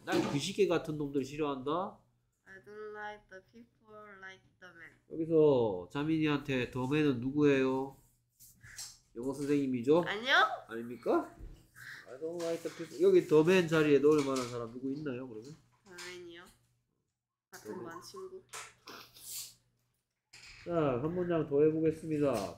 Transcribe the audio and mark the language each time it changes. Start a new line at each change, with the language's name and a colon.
Korean: 난 그 새끼 같은 놈들 싫어한다.
English: I don't like the people like the man.
Korean: 여기서 자민이한테 더 맨은 누구예요? 영어 선생님이죠? 아니요. 아닙니까?
English: I don't like the people.
Korean: 여기 더 맨 자리에 넣을 만한 사람 누구 있나요? 그러면? 같은 반 친구. 자, 한 문장 더 해보겠습니다.